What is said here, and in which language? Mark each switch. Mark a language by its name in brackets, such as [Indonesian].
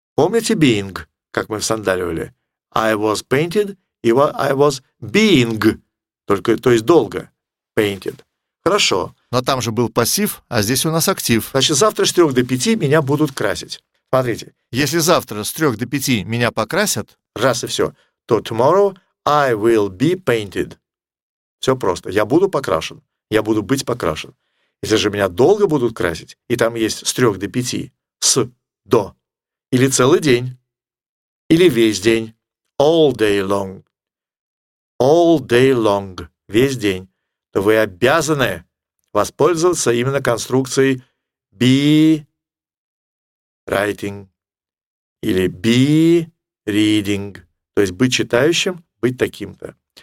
[Russian] Помните being, как мы встандаривали? [English] I was painted, и I was being. [Russian] Только, то есть долго. Painted. Хорошо. Но там же был пассив, а здесь у нас актив. Значит, завтра с 3 до 5 меня будут красить. Смотрите. Если завтра с 3 до 5 меня покрасят... Раз и все. [English] То tomorrow I will be painted. [Russian] Все просто. Я буду покрашен. Я буду быть покрашен. Если же меня долго будут красить, и там есть с 3 до 5, с, до, или целый день, или весь день, [English] all day long, all day long, [Russian] весь день, то вы обязаны воспользоваться именно конструкцией [English] be writing [Russian] или [English] be reading, [Russian] то есть быть читающим, быть таким-то.